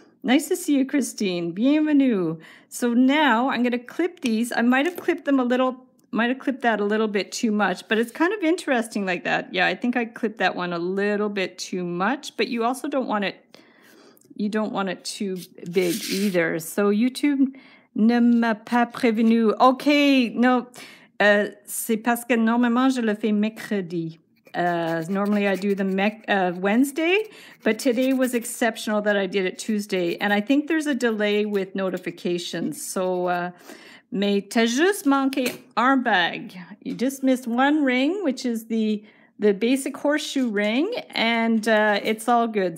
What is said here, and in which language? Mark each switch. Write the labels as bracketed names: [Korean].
[English] Nice to see you, Christine. Bienvenue. So now I'm going to clip these. I might have clipped them a little, might have clipped that a little bit too much, but it's kind of interesting like that. Yeah, I think I clipped that one a little bit too much, but you also don't want it, you don't want it too big either. [French] So YouTube ne m'a pas prévenu. [English] Okay, no. [French] C'est parce que normalement je le fais mercredi. [English] Normally I do the Wednesday, but today was exceptional that I did it Tuesday. And I think there's a delay with notifications. So, [French] Mais t'as juste manqué un bague. [English] You just missed one ring, which is the basic horseshoe ring, and it's all good.